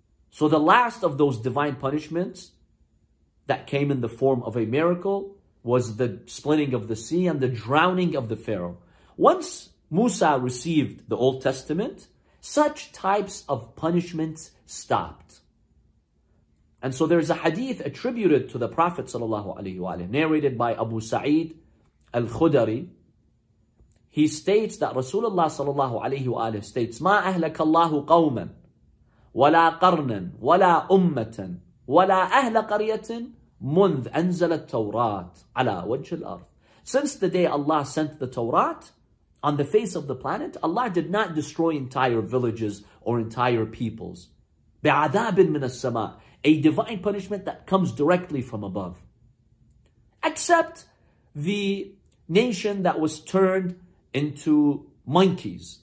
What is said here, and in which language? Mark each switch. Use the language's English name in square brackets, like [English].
[English] So the last of those divine punishments that came in the form of a miracle was the splitting of the sea and the drowning of the Pharaoh. Once Musa received the Old Testament, such types of punishments stopped. And so there's a hadith attributed to the Prophet sallallahu alaihi wasallam, narrated by Abu Sa'id al-Khudari. He states that Rasulullah sallallahu alaihi wasallam states, [Arabic] ما أهلك الله قوما ولا قرنا ولا أمة ولا أهل قرية منذ أنزل التوراة على وجه الأرض. [English] Since the day Allah sent the Torah on the face of the planet, Allah did not destroy entire villages or entire peoples. [Arabic] بعذاب من السماء, [English] a divine punishment that comes directly from above. Except the nation that was turned into monkeys.